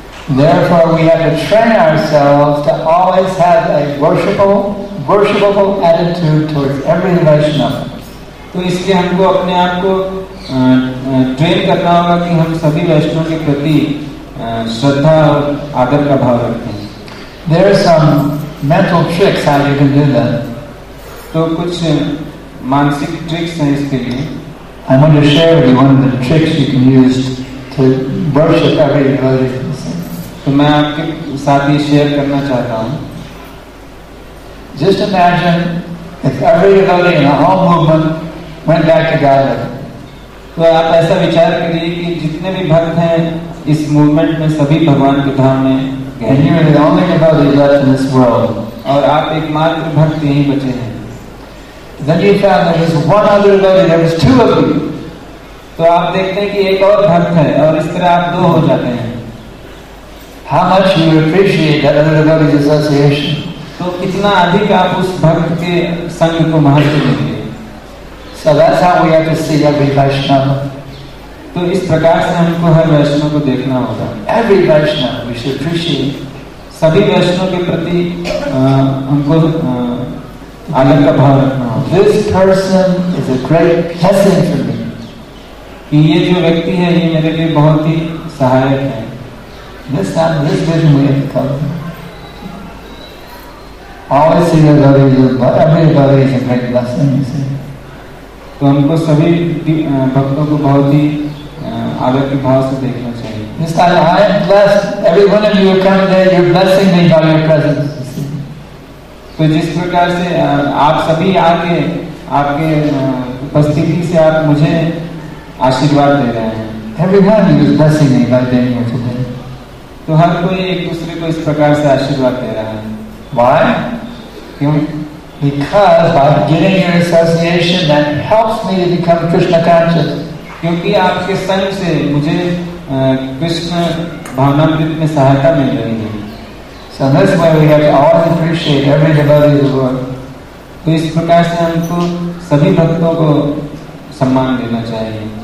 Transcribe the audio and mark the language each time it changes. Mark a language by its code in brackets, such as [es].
[en] Therefore, we have to train ourselves to always have a worshipable attitude towards every Vaishnava. [hi] तो इसलिए हमको अपने आप को ट्रेन करना होगा कि हम सभी वैष्णव के प्रति श्रद्धा और आदर का भाव रखें. [en] There are some mental tricks how you can do that. [hi] तो कुछ मानसिक ट्रिक्स हैं इसके लिए. [en] I want to share with you one of the tricks you can use to worship every devotee. [hi] तो मैं आपके साथ ये शेयर करना चाहता हूँ. [en] Just imagine if every devotee in a whole movement went back to Godhead. [hi] तो आप ऐसा विचार करिए कि जितने भी भक्त हैं इस मूवमेंट में, सभी भगवान के धाम में गए हैं. और आप एकमात्र भक्त यहीं बचे हैं. [en] Then you found there was one other body, there was two of you. [hi] तो आप देखते हैं कि एक और भक्त है और इस तरह आप दो हो जाते हैं. [en] How much you appreciate that other body's association? [hi] तो कितना अधिक आप उस भक्त के संग को महत्व देंगे. [en] So that's how we have to see every Vaishnava. [hi] तो इस प्रकार से हमको हर वैष्णव को देखना होगा. [en] Every Vaishnava we should appreciate. [hi] सभी वैष्णव के प्रति हमको आनंद का भाव रखना होगा. [en] This person is a great blessing for me. [hi] कि ये जो व्यक्ति है ये मेरे लिए बहुत ही सहायक है. [en] This time, this vision we have come. Always see your body, but every body is a great blessing, you see. [hi] तो हमको सभी भक्तों को बहुत ही आदर के भाव से देखना चाहिए. [en] This time, I am blessed. Every one of you come there, you're blessing me by your presence. [hi] तो जिस प्रकार से आप सभी आके आपके उपस्थिति से आप मुझे आशीर्वाद दे रहे हैं. [en] Everyone is blessing me by being here today. [hi] तो हर कोई एक दूसरे को इस प्रकार से आशीर्वाद दे रहा है. [en] Why? [hi] क्यों? [en] Because by getting your association, that helps me to become Krishna conscious. [hi] क्योंकि आपके संग से मुझे कृष्ण भावनामृत में सहायता मिल रही है. [en] So that's why we have to always appreciate every devotee of the world. [hi] तो इस प्रकार से हमको सभी भक्तों को सम्मान देना चाहिए.